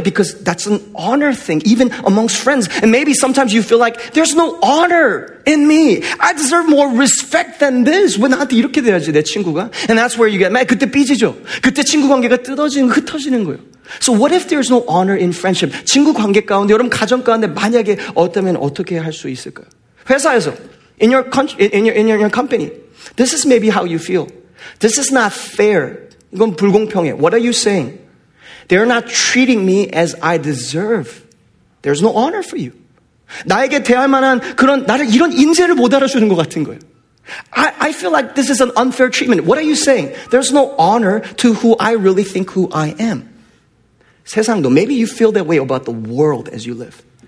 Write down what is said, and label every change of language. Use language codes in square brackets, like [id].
[en] Because that's an honor thing, even amongst friends. And maybe sometimes you feel like, there's no honor in me. I deserve more respect than this. [ko] 왜 나한테 이렇게 돼야지, 내 친구가? [en] And that's where you get mad. [ko] 그때 삐지죠. 그때 친구 관계가 뜯어지는, 흩어지는 거예요. [en] So what if there's no honor in friendship? [ko] 친구 관계 가운데, 여러분 가정 가운데 만약에 어쩌면 어떻게 할 수 있을까요? 회사에서, [en] in your country, in your company. This is maybe how you feel. This is not fair. [ko] 이건 불공평해. [en] What are you saying? They're not treating me as I deserve. There's no honor for you. [ko] 나에게 대할 만한 그런 나를 이런 인재를 못 알아주는 것 같은 거예요. [en] I feel like this is an unfair treatment. What are you saying? There's no honor to who I really think who I am. [ko] 세상도 [en] maybe you feel that way about the world as you live.